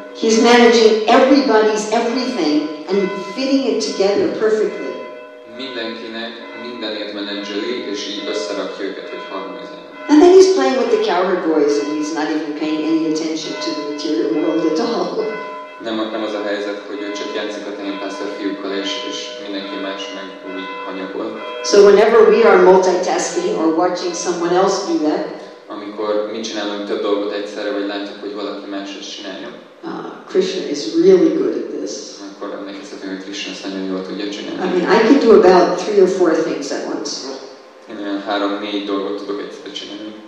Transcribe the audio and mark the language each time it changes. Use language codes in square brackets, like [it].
[en] He's managing everybody's everything and fitting it together perfectly. [hu] mindenkinek mindenért menedzseli, és így összerakja őket, hogy harmonizál. [en] And then he's playing with the cowherd boys and he's not even paying any attention to the material world at all. [hu] Nem az a helyzet, hogy ő csak játszik a tenyerpásztor fiúkkal, és mindenki más meg úgy hanyagol. [en] So whenever we are multitasking or watching someone else do that, [hu] amikor mi csinálunk több dolgot egyszerre, vagy látjuk, hogy valaki más ezt csinálja, [en] Krishna is really good at this. [hu] Akkor emlékeztetünk, hogy Krishna ezt nagyon jól tudja csinálni. [en] I mean, I can do about three or four things at once. [hu] Én olyan 3-4 dolgot tudok egyszerre csinálni.